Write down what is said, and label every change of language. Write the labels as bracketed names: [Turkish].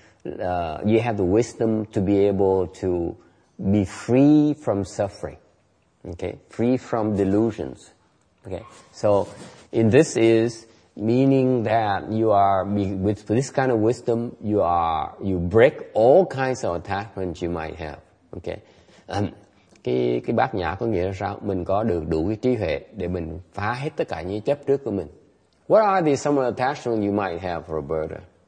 [English] you have the wisdom to be able to be free from suffering, okay? Free from delusions, okay? So, in this is meaning that you are, with this kind of wisdom, you break all kinds of attachments you might have, okay? [Vietnamese] Cái bát nhã có nghĩa là sao? Mình có được đủ cái trí huệ để mình phá hết tất cả những chấp trước của mình. [English] What are the some of the attachments you might have, Roberta?